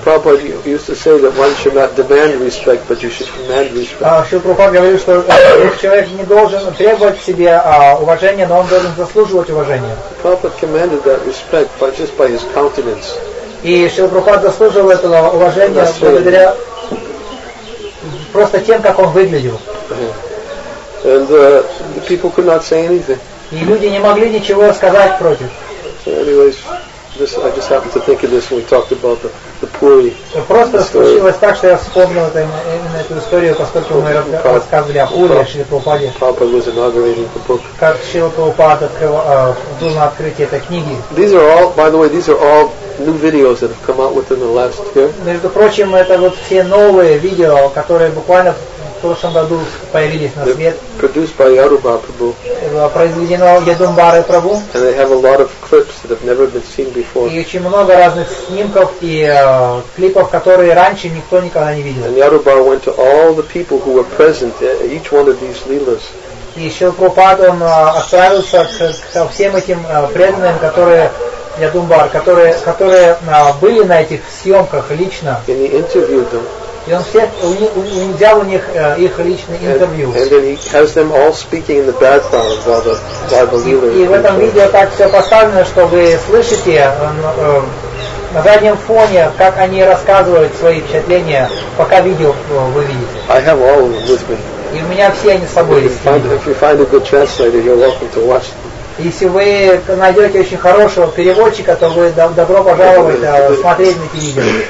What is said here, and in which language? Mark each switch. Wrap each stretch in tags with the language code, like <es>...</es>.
<en>Prabhupada used to say that one should not demand respect, but you should command respect.</en> <ru>Шрила Прабхупада говорил, что человек не должен требовать себе уважения, но он должен заслуживать уважения.</ru> <en>Prabhupada commanded that respect by just by his countenance.</en> <ru>И Шрила Прабхупада заслуживал этого уважения благодаря просто тем, как он выглядел.</ru> <en>And the people could not say anything.</en> <ru>И люди не могли ничего сказать против.</ru> <en>I just happened to think of this when we talked about the Puri.</en> <ru>Просто случилось так, что я вспомнил именно эту историю, поскольку мы рассказывали о Пури, о Шриле Прабхупаде.</ru> <en>Prabhupada was inaugurating the book.</en> <ru>Как Шрила Прабхупада был на открытии этой книги.</ru> <en>These are all, by the way, these are all new videos that have come out within the last year.</en> <ru>Между прочим, это вот все новые видео, которые буквально в прошлом году появились на свет.</ru> <en>Produced by Yadumbara Prabhu.</en> <ru>Произведено Yadumbara Prabhu.</ru> <en>And they have a lot of clips that have never been seen before.</en> <ru>И очень много разных снимков и клипов, которые раньше никто никогда не видел.</ru> <en>And Yadumbara went to all the people who were present at each one of these leelas.</en> <ru>И Шрила Прабхупада отправился ко всем этим преданным, которые Yadumbara, которые были на этих съемках лично.</ru> <en>And he interviewed them.</en> <ru>И он взял у них их личное интервью.</ru> <en>And then he has them all speaking in the background while the leader.</en> <ru>И в этом видео так все поставлено, что вы слышите на заднем фоне, как они рассказывают свои впечатления, пока видео вы видите.</ru> <en>I have all of them with me.</en> <ru>И у меня все они с собой.</ru> <en>If you find a good translator, you're welcome to watch them.</en> <ru>Если вы найдете очень хорошего переводчика, то вы добро пожаловать смотреть на эти видео.</ru>